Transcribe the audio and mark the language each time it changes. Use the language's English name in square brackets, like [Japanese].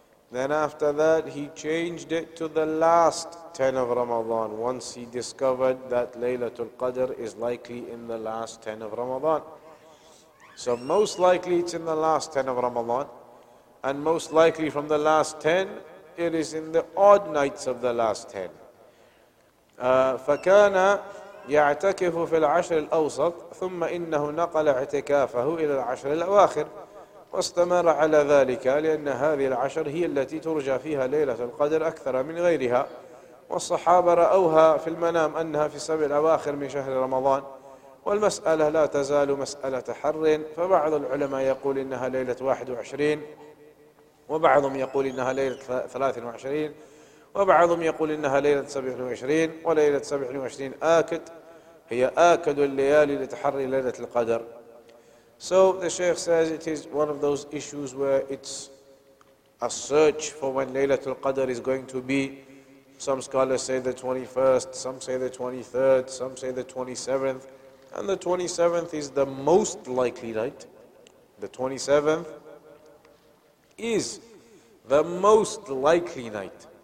[English] Then after that, he changed it to the last 10 of Ramadan, once he discovered that Laylatul Qadr is likely in the last 10 of Ramadan. So most likely it's in the last 10 of Ramadan. And most likely from the last 10, it is in the odd nights of the last 10. [Arabic] فَكَانَ يَعْتَكِفُ فِي الْعَشْرِ الْأَوْسَطِ ثُمَّ إِنَّهُ نَقَلَ اعْتِكَافَهُ إِلَى الْعَشْرِ الْأَوَاخِرِ واستمر على ذلك لأن هذه العشر هي التي ترجى فيها ليلة القدر أكثر من غيرها والصحابة رأوها في المنام أنها في السبع الأواخر من شهر رمضان والمسألة لا تزال مسألة حر فبعض العلماء يقول إنها ليلة 21 وبعضهم يقول إنها ليلة 23 وبعضهم يقول إنها ليلة 27 وليلة 27 آكد هي آكد الليالي لتحري ليلة القدر. [English] So the Shaykh says it is one of those issues where it's a search for when Laylatul Qadr is going to be. Some scholars say the 21st, some say the 23rd, some say the 27th. And the 27th is the most likely night. The 27th is the most likely night.